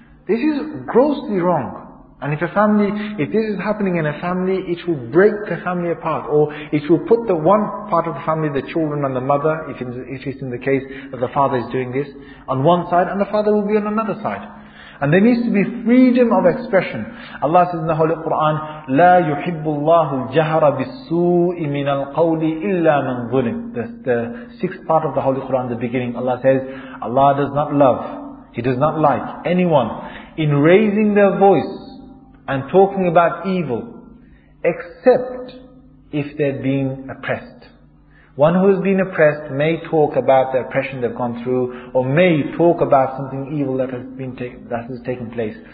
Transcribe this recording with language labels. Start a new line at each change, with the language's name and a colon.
English: This is grossly wrong. And if a family, if this is happening in a family, it will break the family apart. Or it will put the one part of the family, the children and the mother, if it's in the case that the father is doing this, on one side, and the father will be on another side. And there needs to be freedom of expression.
Arabic: Allah says in the Holy Quran, لَا يُحِبُّ اللَّهُ الْجَهْرَ بِالسُّوءِ مِنَ الْقَوْلِ إِلَّا مَنْ ظُلِمْ.
English: The sixth part of the Holy Quran, the beginning, Allah says, Allah does not love, He does not like anyone in raising their voice and talking about evil, except if they're being oppressed. One who has been oppressed may talk about the oppression they've gone through, or may talk about something evil that has been taken place.